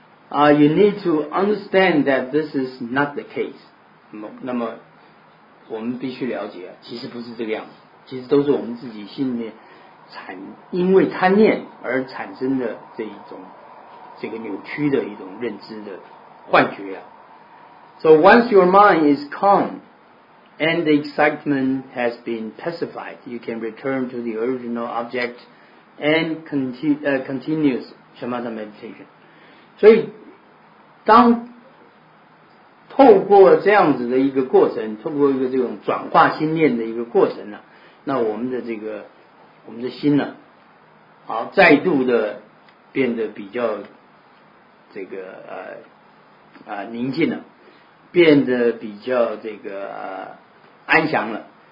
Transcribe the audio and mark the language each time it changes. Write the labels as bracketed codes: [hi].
[en] You need to understand that this is not the case。 那么 [zh] 我们必须了解，其实不是这个样子，其实都是我们自己心里面产因为贪念而产生的这一种这个扭曲的一种认知的幻觉啊。 [en] So once your mind is calm and the excitement has been pacified, you can return to the original object and continue shamatha meditation. [zh] 所以当透过这样子的一个过程，透过一个这种转化心念的一个过程呢、啊，那我们的这个我们的心呢、啊，好再度的变得比较这个宁静了，变得比较这个安详了。